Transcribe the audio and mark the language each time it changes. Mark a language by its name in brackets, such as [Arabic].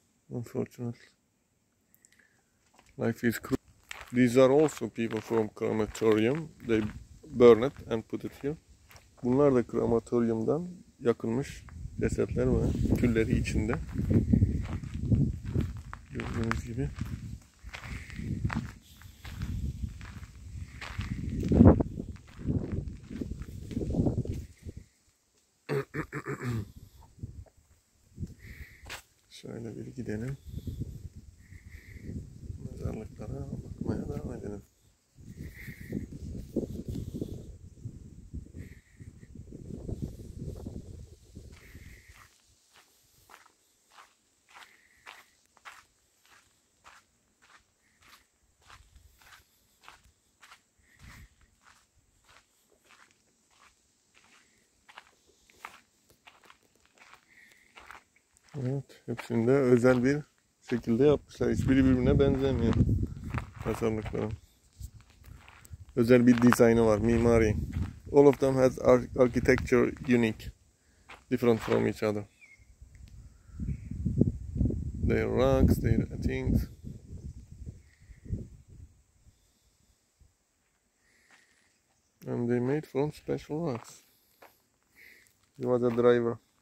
[English] Unfortunately. Life is cruel. These are also people from crematorium. They burn it and put it here. [Turkish] Bunlar da krematoryumdan yakılmış cesetler ve külleri içinde. Gördüğünüz gibi. Şöyle bir gidelim. Mezarlıklara bakmaya devam edelim. Evet, hepsinde özel bir şekilde yapmışlar. Hiçbiri birbirine benzemiyor tasarımların. Özel bir dizaynı var, mimari. [English] All of them has architecture unique, different from each other. Their rugs, their things. And they made from special rugs. He was a driver.